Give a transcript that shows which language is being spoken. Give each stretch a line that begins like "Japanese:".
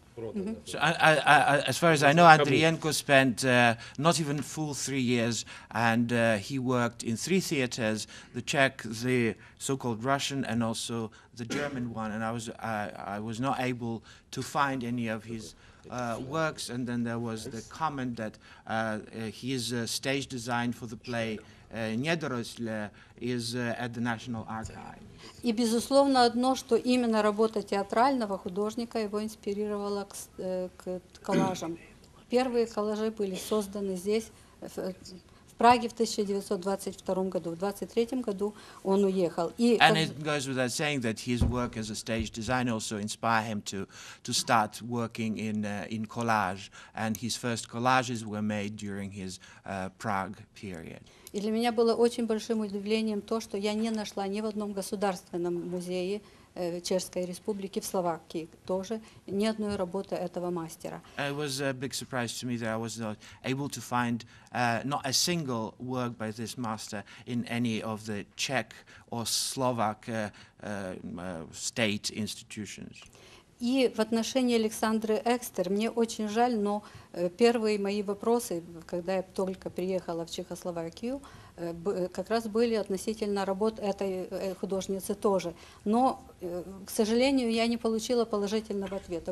English: As far as I know, Andriyenko spent not even full 3 years, and he worked in 3 theaters: the Czech, the so-called Russian, and also the German one. And I was not able to find any of his works. And then there was the comment that his stage design for the play Недоросля is at the National Archives.
Russian: И, безусловно, одно, что именно работа театрального художника его инспирировала к коллажам. Первые коллажи были созданы здесь, в Праге, в 1922 году. В 1923 году он уехал.
English: And it goes without saying that his work as a stage designer also inspired him to start working in collage. And his first collages were made during his Prague period.
Russian: И для меня было очень большим удивлением то, что я не нашла ни в одном государственном музее Чешской Республики, в Словакии тоже, ни одной работы этого мастера.
English: It was a big surprise to me that I was not able to find not a single work by this master in any of the Czech or Slovak state institutions.
Russian: И в отношении Александры Экстер, мне очень жаль, но первые мои вопросы, когда я только приехала в Чехословакию, как раз были относительно работ этой художницы тоже. Но, к сожалению, я не получила положительного ответа.